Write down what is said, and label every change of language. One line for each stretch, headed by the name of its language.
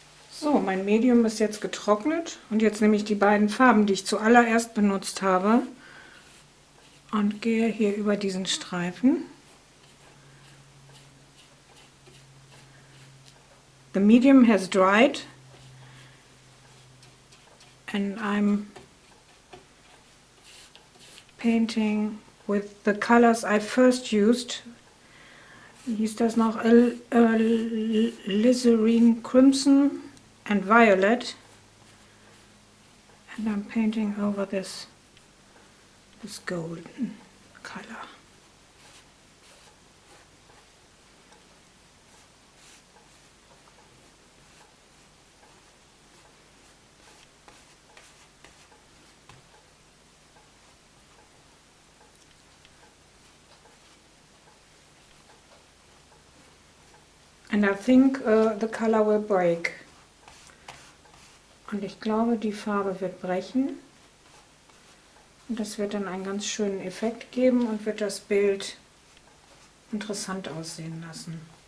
German: So, mein Medium ist jetzt getrocknet und jetzt nehme ich die beiden Farben, die ich zuallererst benutzt habe und gehe hier über diesen Streifen.
English: The medium has dried and I'm painting with the colors I first used.
German: Hieß das noch
English: Alizarin Crimson and Violet, and I'm painting over this golden color. And I think the color will break.
German: Und ich glaube, die Farbe wird brechen. Und das wird dann einen ganz schönen Effekt geben und wird das Bild interessant aussehen lassen.